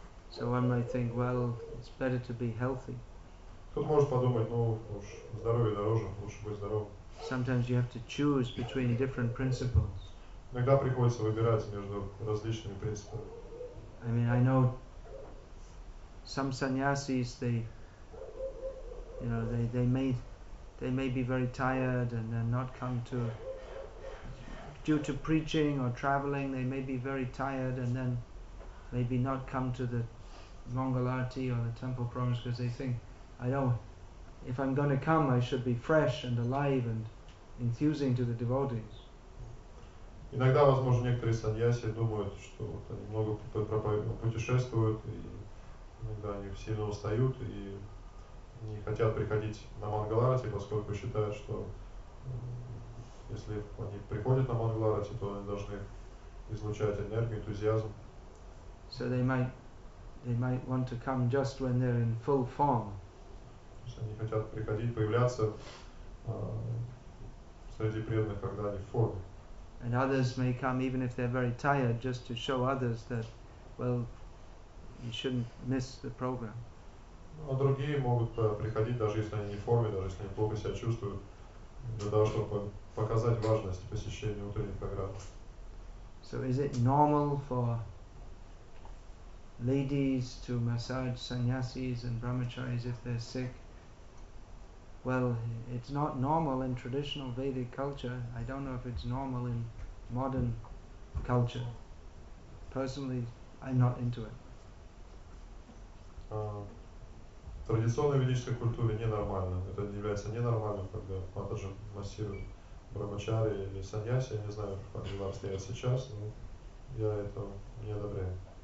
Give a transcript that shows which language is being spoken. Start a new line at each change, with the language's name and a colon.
English: So one might think, well, it's better to be healthy.
Russian: Кто-то может подумать, ну уж здоровье дороже, лучше быть здоровым.
English: Sometimes you have to choose between different principles.
Russian: Иногда приходится выбирать между различными принципами.
English: I mean, I know some sannyasis, they, you know, they may be very tired and then not come to. Due to preaching or traveling, they may be very tired and then maybe not come to the Mangalarti or the temple promise because they think, I don't, if I'm going to come, I should be fresh and alive and enthusing to the devotees.
Russian: Иногда, возможно, некоторые саньяси думают, что они много путешествуют, и иногда они сильно устают и не хотят приходить на Мангаларти, поскольку считают, что если они приходят на Мангаларати, то они должны излучать энергию, энтузиазм.
English: So they might want to come just when they're in full form.
Russian: То есть они хотят приходить, появляться среди преданных, когда они в форме.
English: And others may come even if they're very tired, just to show others that, well, you shouldn't miss the program.
Russian: А другие могут приходить, даже если они не в форме, даже если они плохо себя чувствуют, для того, чтобы показать важность посещения утренней программы.
English: So is it normal for ladies to massage sannyasis and brahmacharis if they're sick? Well, it's not normal in traditional Vedic culture. I don't know if it's normal in modern culture. Personally, I'm not into it.
Russian: В традиционной ведической культуре ненормально. Это является ненормальным, когда матаджи массируют брахмачари или саньяси. Я не знаю, как дела обстоят сейчас, но я это не одобряю.